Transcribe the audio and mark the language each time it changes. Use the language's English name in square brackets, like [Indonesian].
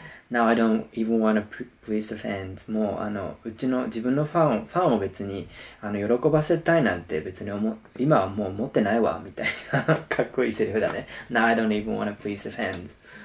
[English] Now I don't even want to please the fans. [Japanese] もう、うちの自分のファンを別に、喜ばせたいなんて別に今はもう思ってないわ、みたいな。かっこいいセリフだね。 [English] Now I don't even want to please the fans.